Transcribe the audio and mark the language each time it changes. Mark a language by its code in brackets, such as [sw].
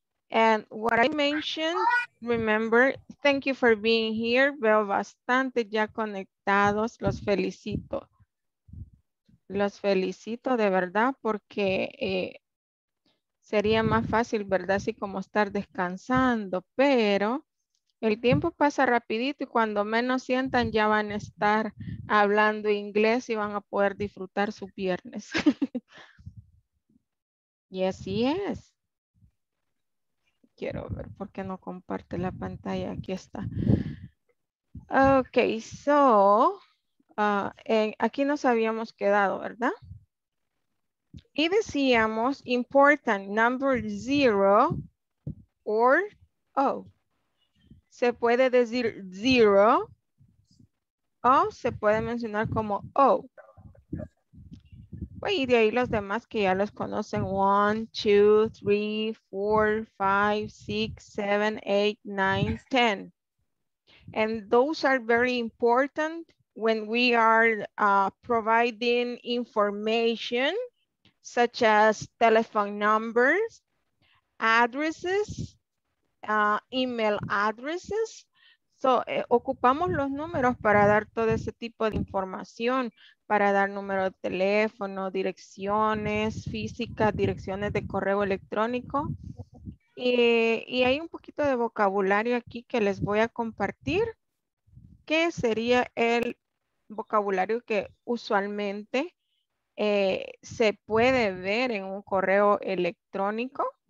[en] And what I mentioned, remember, thank you for being here. [es] Veo bastante ya conectados. Los felicito. Los felicito de verdad porque sería más fácil, ¿verdad? Así como estar descansando, pero el tiempo pasa rapidito y cuando menos sientan ya van a estar hablando inglés y van a poder disfrutar su viernes. Y así es. Quiero ver por qué no comparte la pantalla. Aquí está. Ok, so... aquí nos habíamos quedado, ¿verdad? Y decíamos, [en] important, number 0 or 0. [es] Se puede decir 0 o se puede mencionar como 0. Pues, y de ahí los demás que ya los conocen, 1, 2, 3, 4, 5, 6, 7, 8, 9, 10. [en] And those are very important when we are providing information such as telephone numbers, addresses, email addresses. [es] So, ocupamos los números para dar todo ese tipo de información, para dar número de teléfono, direcciones físicas, direcciones de correo electrónico. Y hay un poquito de vocabulario aquí que les voy a compartir, que sería el vocabulario que usualmente se puede ver en un correo electrónico.